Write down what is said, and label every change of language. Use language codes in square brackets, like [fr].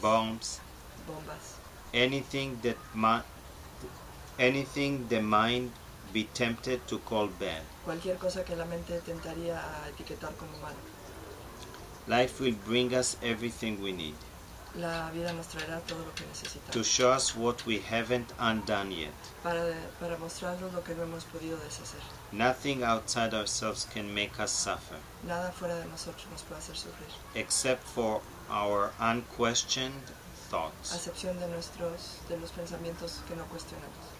[en] bombs, anything the mind be tempted to call bad. [es] Cualquier cosa que la mente tentaría a etiquetar como mal. [en] Life will bring us everything we need. [es] La vida nos traerá todo lo que necesitamos. [en] To show us what we haven't undone yet. [es] Para mostrarnos lo que no hemos podido deshacer. [en] Nothing outside ourselves can make us suffer. [es] Nada fuera de nosotros nos puede hacer sufrir. [en] Except for our unquestioned thoughts. [es] A excepción de los pensamientos que no cuestionamos.